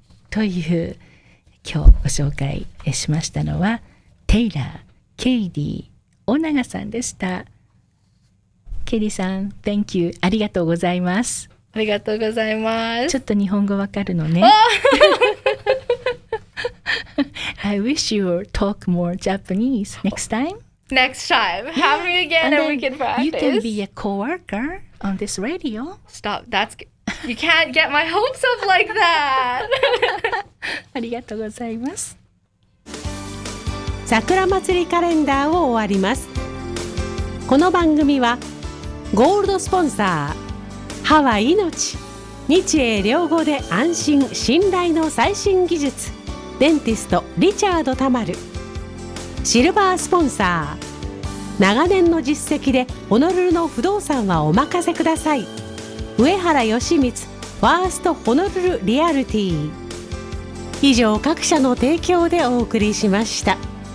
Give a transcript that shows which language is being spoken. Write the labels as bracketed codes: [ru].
[ja] という今日ご紹介しましたのはテイラー、ケイディ、オナガさんでした。ケイディさん、 [en] Thank you、 [ja] ありがとうございます。ありがとうございます。ちょっと日本語わかるのね。 [en] I wish you would talk more Japanese next time. Next time. Have me again and we can practice. You can be a co-worker on this radio. Stop. That's... You can't get my hopes up like that. [ja] ありがとうございます。桜祭りカレンダーを終わります。この番組はゴールドスポンサー、歯は命、日英両語で安心信頼の最新技術デンティストリチャード・タマル、シルバースポンサー、長年の実績でホノルルの不動産はお任せください、上原義満ファーストホノルルリアルティ、以上各社の提供でお送りしました。